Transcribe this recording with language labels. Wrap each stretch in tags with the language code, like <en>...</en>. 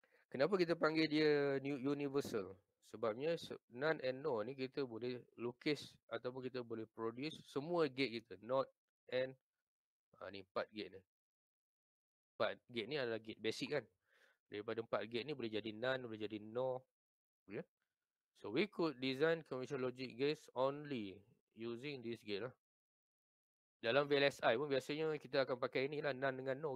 <ms>Kenapa kita panggil dia universal? Sebabnya none and no ni kita boleh lukis ataupun kita boleh produce semua gate kita. Not and ni 4 gate ni. 4 gate ni adalah gate basic kan. Daripada 4 gate ni boleh jadi none, boleh jadi no. Yeah?</ms> <en>So we could design conventional logic gates only using this gate lah.</en> <ms>Dalam VLSI pun biasanya kita akan pakai ni lah, none dengan no.</ms>